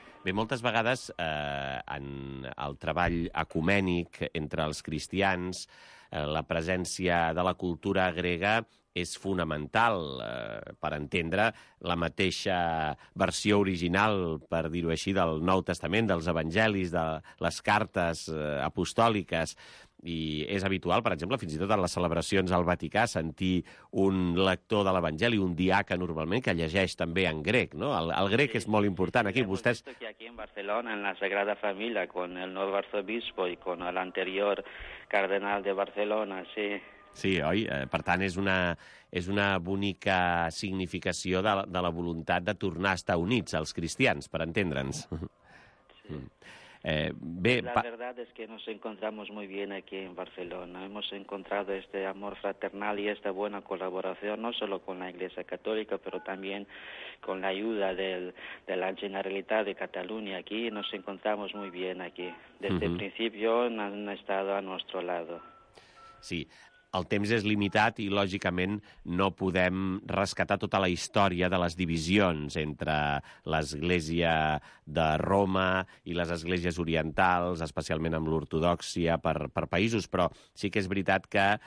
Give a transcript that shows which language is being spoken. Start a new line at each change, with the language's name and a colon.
Catalan: Bé, moltes vegades en el treball ecumènic entre els cristians, la presència de la cultura grega és fonamental per entendre la mateixa versió original, per dir-ho així, del Nou Testament, dels evangelis, de les cartes apostòliques. I és habitual, per exemple, fins i tot en les celebracions al Vaticà, sentir un lector de l'Evangeli, un diaca normalment, que llegeix també en grec, no? El grec, sí, és molt important. Sí, aquí, vostès...
Spanish: Hemos visto que aquí en Barcelona, en la Sagrada Família, con el nuevo arzobispo y con el anterior cardenal de Barcelona, sí...
Catalan: Sí, oi? Per tant, és una bonica significació de la voluntat de tornar a estar units als cristians, per entendre'ns. Sí.
Spanish: Bé, la verdad es que nos encontramos muy bien aquí en Barcelona. Hemos encontrado este amor fraternal y esta buena colaboración, no solo con la Iglesia Católica, pero también con la ayuda de la Generalitat de Cataluña aquí. Nos encontramos muy bien aquí. Desde el principio han estado a nuestro lado.
Catalan: Sí, el temps és limitat i, lògicament, no podem rescatar tota la història de les divisions entre l'Església de Roma i les esglésies orientals, especialment amb l'ortodoxia per països, però sí que és veritat que